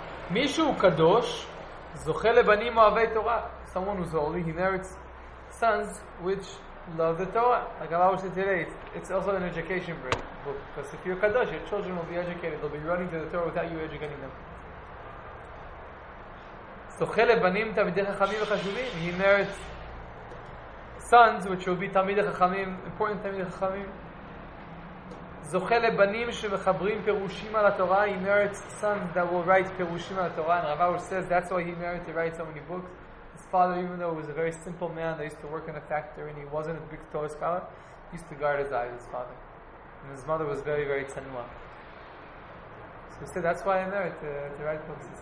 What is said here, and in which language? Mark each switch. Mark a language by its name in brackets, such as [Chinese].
[Hebrew] מישהו קדוש זוכה לבנים אוהבי תורה. [English] Someone who's holy, he merits sons which love the Torah. Like I always said today, it's also an education book. Because if you're kadosh, your children will be educated. They'll be running to the Torah without you educating them. [Hebrew] זוכה לבנים תלמידי חכמים וחשובים. [English] He merits sons which will be תלמידי חכמים, important תלמידי חכמים. [Hebrew] זוכה לבנים שמחברים פירושים על התורה. [English] He merits sons that will write [Hebrew] פירושים על התורה. [English] And Rav Aruch says that's why he merited to write so many books. His father, even though he was a very simple man that used to work in a factory and he wasn't a big Torah scholar, he used to guard his eyes, his father. And his mother was very, very tenua. So he said that's why I merit to write books.